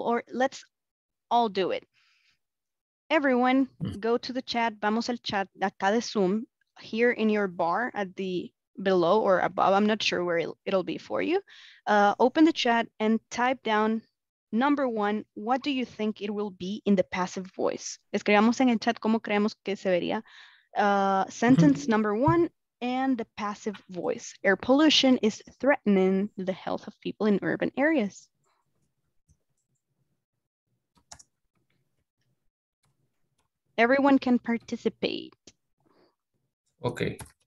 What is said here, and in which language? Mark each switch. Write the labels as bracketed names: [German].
[English] Or let's all do it. Everyone, go to the chat. [Spanish] Vamos al chat acá de Zoom, [English] here in your bar at the below or above. I'm not sure where it'll be for you. Open the chat and type down number one. What do you think it will be in the passive voice? [Spanish] Escribamos en el chat cómo creemos que se vería. [English] Sentence number one and the passive voice. Air pollution is threatening the health of people in urban areas. Everyone can participate. Okay.